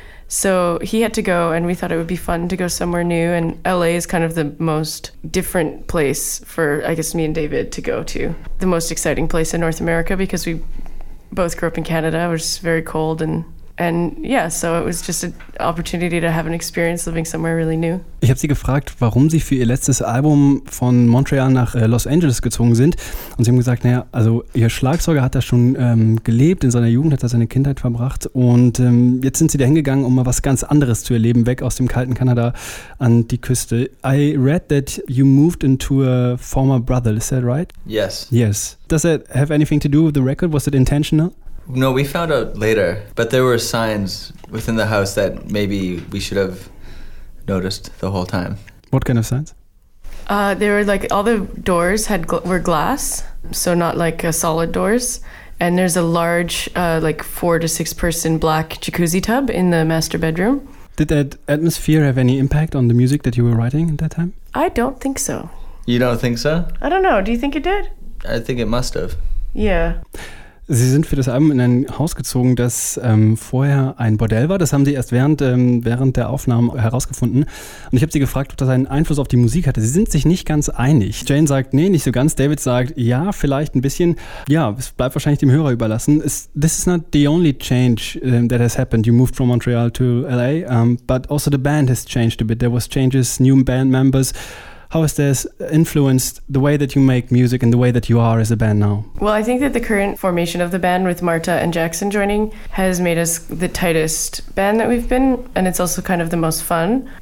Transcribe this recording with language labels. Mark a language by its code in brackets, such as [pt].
[en] So he had to go, and we thought it would be fun to go somewhere new. And LA is kind of the most different place for, I guess, me and David to go to. The most exciting place in North America because we both grew up in Canada. It was very cold. And yeah, so it was just an opportunity to have an experience living somewhere really new. [de] Ich habe sie gefragt, warum sie für ihr letztes Album von Montreal nach Los Angeles gezogen sind. Und sie haben gesagt, naja, also ihr Schlagzeuger hat da schon gelebt in seiner Jugend, hat da seine Kindheit verbracht. Und jetzt sind sie da hingegangen, um mal was ganz anderes zu erleben, weg aus dem kalten Kanada an die Küste. [en] I read that you moved into a former brother, is that right? Yes. Yes. Does that have anything to do with the record? Was it intentional? No, we found out later, but there were signs within the house that maybe we should have noticed the whole time. What kind of signs? There were like all the doors had were glass, so not like solid doors. And there's a large, like 4 to 6 person black jacuzzi tub in the master bedroom. Did that atmosphere have any impact on the music that you were writing at that time? I don't think so. You don't think so? I don't know. Do you think it did? I think it must have. Yeah. [de] Sie sind für das Album in ein Haus gezogen, das vorher ein Bordell war. Das haben sie erst während der Aufnahmen herausgefunden. Und ich habe sie gefragt, ob das einen Einfluss auf die Musik hatte. Sie sind sich nicht ganz einig. Jane sagt, nee, nicht so ganz. David sagt, ja, vielleicht ein bisschen. Ja, es bleibt wahrscheinlich dem Hörer überlassen. [en] This is not the only change that has happened. You moved from Montreal to LA, but also the band has changed a bit. There was changes, new band members. How has this influenced the way that you make music and the way that you are as a band now? Well, I think that the current formation of the band with Marta and Jackson joining has made us the tightest band that we've been, and it's also kind of the most fun.